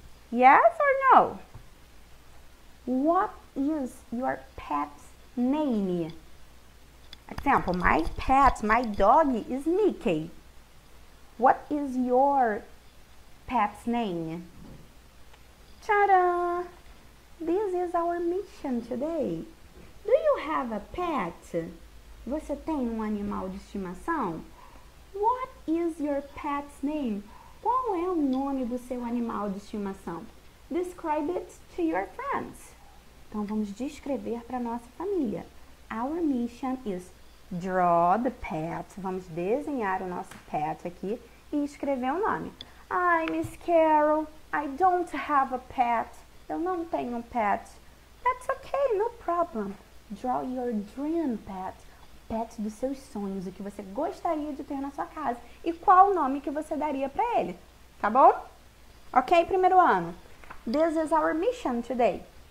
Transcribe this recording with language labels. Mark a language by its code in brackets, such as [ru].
[en] Yes or no? What is your pet's name? Example, my pet, my dog is Mickey. What is your pet's name? Ta-da! This is our mission today. Do you have a pet? [pt] Você tem um animal de estimação? [en] What is your pet's name? [pt] Qual é o nome do seu animal de estimação? [en] Describe it to your friends. [pt] Então vamos descrever para nossa família. [en] Our mission is draw the pet. [pt] Vamos desenhar o nosso pet aqui e escrever o nome. [en] Hi, Miss Carol. I don't have a pet. [pt] Eu não tenho um pet. [en] That's okay, no problem. Draw your dream pet. [pt] Pet dos seus sonhos, o que você gostaria de ter na sua casa e qual o nome que você daria para ele. Tá bom? Ok, primeiro ano. [en] This is our mission today.